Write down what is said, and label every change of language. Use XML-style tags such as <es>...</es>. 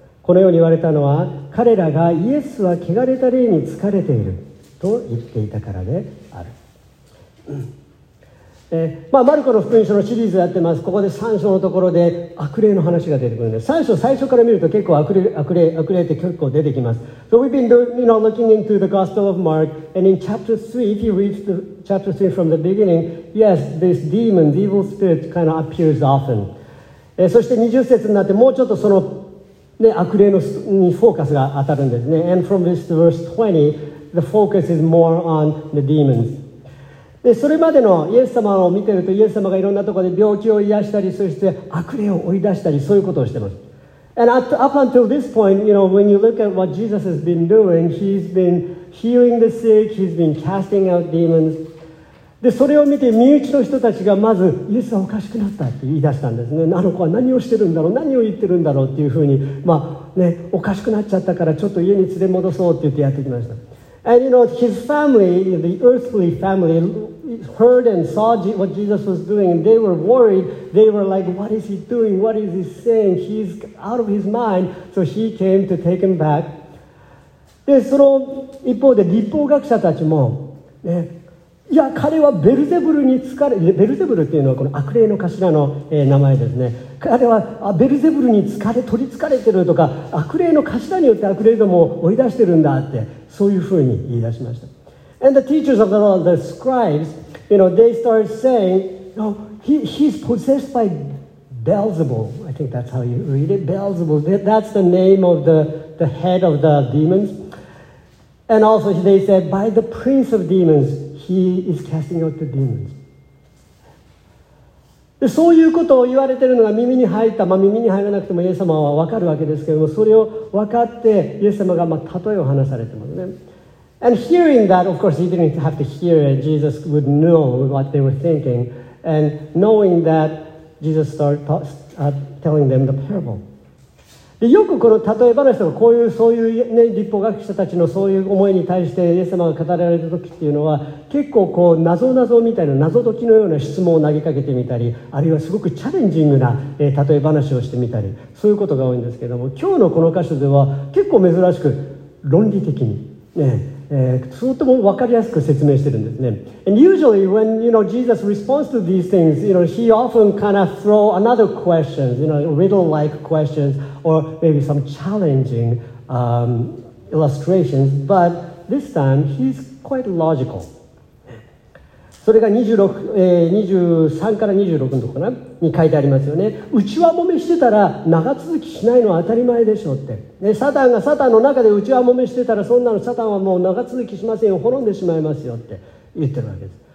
<ja>このように言われたのは彼らがイエスは汚れた霊に疲れていると言っていたからで。まあ、マルコの福音書のシリーズをやってます。ここで3章のところで悪霊の話が出てくるんです。 3章最初から見ると結構悪霊って結構出てきます。</ja> <en>So we've been doing, you know, looking into the Gospel of Mark, and in chapter 3, if you read the chapter 3 from the beginning, yes, this demon, the evil spirit kind of appears often.</en> <ja>そして20節になってもうちょっとその、ね、悪霊のにフォーカスが当たるんですね。</ja> <en>And from this verse 20, the focus is more on the demons.</en> <ja>でそれまでのイエス様を見ているとイエス様がいろんなところで病気を癒したり、そして悪霊を追い出したり、そういうことをしています。</ja> <en>And up until this point, you know, when you look at what Jesus has been doing, he's been healing the sick, he's been casting out demons.</en> <ja>でそれを見て身内の人たちがまずイエスはおかしくなったって言い出したんですね。あの子は何をしてるんだろう、何を言ってるんだろうっていうふうに、まあね、おかしくなっちゃったからちょっと家に連れ戻そうって言ってやってきました。</ja> <en>And you know, his family, the earthly family, heard and saw what Jesus was doing, and they were worried. They were like, what is he doing? What is he saying? He's out of his mind. So he came to take him back.</en> <ja>で、その一方で立法学者たちも、ね、いや彼はベルゼブルに疲れ、ベルゼブルっていうのはこの悪霊の頭の名前ですね。彼はベルゼブルに疲れ、取り憑かれてるとか、悪霊の頭によって悪霊どもを追い出してるんだって、そういうふうに言い出しました。</ja> <en>And the teachers of the law, the scribes, you know, they started saying, no, he's possessed by Beelzebul. I think that's how you read it. Beelzebul, that's the name of the head of the demons. And also they said, by the prince of demons, he is casting out the demons.</en> <ja>で、そういうことを言われているのが耳に入った、まあ、耳に入らなくてもイエス様は分かるわけですけれども、それを分かってイエス様がまあ例えを話されていますね。</ja> <en>And hearing that, of course, he didn't have to hear it. Jesus would know what they were thinking. And knowing that, Jesus started telling them the parable.</en> <ja>で、よくこの例え話とか、こういう、そういう、ね、立法学者たちのそういう思いに対してイエス様が語られた時っていうのは、結構こう、謎々みたいな、謎解きのような質問を投げかけてみたり、あるいはすごくチャレンジングな、例え話をしてみたり、そういうことが多いんですけども、今日のこの箇所では結構珍しく論理的に、ね、とても分かりやすく説明してるんですね。</ja> <en>And usually when you know, Jesus responds to these things, you know, he often kind of throw another questions, you know, riddle-like questions or maybe some challenging illustrations, but this time he's quite logical.</en> <ja>それが23から26のところかなに書いてありますよね。内輪揉めしてたら長続きしないのは当たり前でしょうって、ね、サタンがサタンの中で内輪揉めしてたら、そんなのサタンはもう長続きしませんよ、滅んでしまいますよって言ってるわけです。</ja>